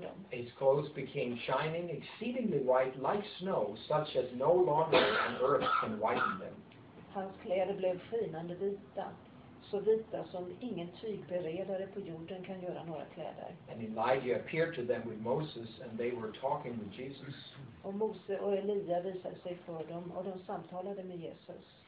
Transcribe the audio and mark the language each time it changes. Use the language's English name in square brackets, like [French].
[English] His clothes became shining, exceedingly white, like snow, such as no longer on earth can whiten them. [Swedish] Hans kläder blev skinande vita, så vita som ingen tygberedare på jorden kan göra några kläder. [English] And Elijah appeared to them with Moses, and they were talking with Jesus. [Swedish] Och Mose och Elia visade sig för dem, och de samtalade med Jesus.